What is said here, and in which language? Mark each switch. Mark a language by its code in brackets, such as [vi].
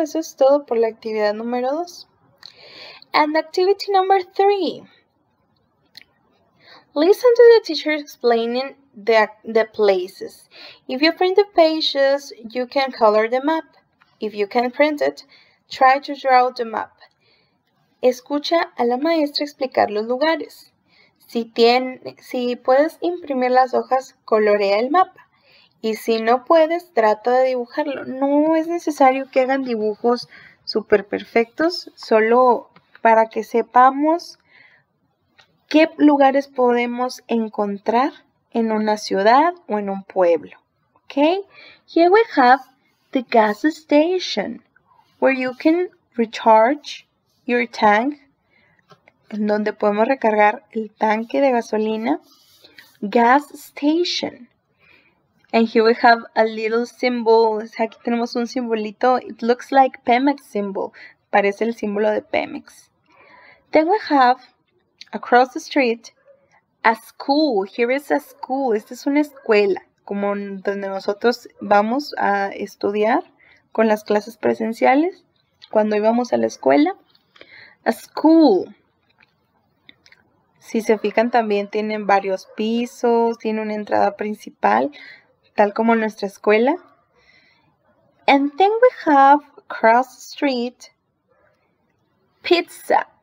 [es] Eso es todo por la actividad número 2. [en] And activity number 3. Listen to the teacher explaining the places. If you print the pages, you can color the map. If you can print it, try to draw the map. [es] Escucha a la maestra explicar los lugares. Si puedes imprimir las hojas, colorea el mapa. Y si no puedes, trata de dibujarlo. No es necesario que hagan dibujos súper perfectos, solo para que sepamos qué lugares podemos encontrar en una ciudad o en un pueblo. [en] Okay? Here we have the gas station, where you can recharge your tank. [es] En donde podemos recargar el tanque de gasolina. [en] Gas station. And here we have a little symbol. [es] Aquí tenemos un simbolito. [en] It looks like Pemex symbol. [es] Parece el símbolo de Pemex. [en] Then we have, across the street, a school. Here is a school. [es] Esta es una escuela, como donde nosotros vamos a estudiar con las clases presenciales, cuando íbamos a la escuela. [en] A school. [es] Si se fijan, también tienen varios pisos, tiene una entrada principal, tal como nuestra escuela. [en] And then we have across the street pizza.